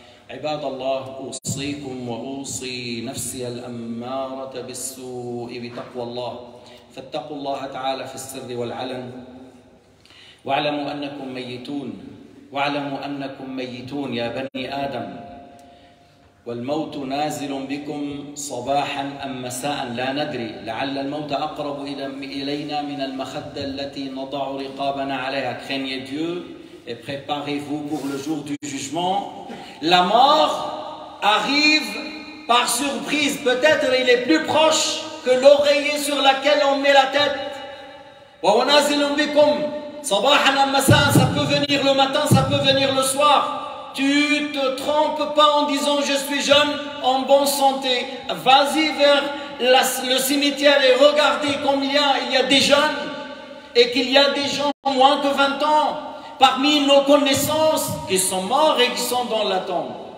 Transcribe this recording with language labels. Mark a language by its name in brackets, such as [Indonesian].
[Arabic] عباد الله أوصيكم وأوصي نفسي الأمارة بالسوء بتقوى الله، فاتقوا الله تعالى في السر والعلن، واعلموا أنكم ميتون، واعلموا أنكم ميتون يا بني آدم، والموت نازل بكم صباحا أم مساء لا ندري، لعل الموت أقرب إلينا من المخدة التي نضع رقابنا عليها. [French] Craignez Dieu et préparez-vous pour le jour du jugement. La mort arrive par surprise. Peut-être il est plus proche que l'oreiller sur laquelle on met la tête. [Arabic] وهو نازل بكم صباحا أم مساء. [French] Ça peut venir le matin, ça peut venir le soir. Tu te trompes pas en disant je suis jeune, en bonne santé. Vas-y vers le cimetière et regardez combien il y a des jeunes et qu'il y a des gens moins de 20 ans parmi nos connaissances qui sont morts et qui sont dans la tombe.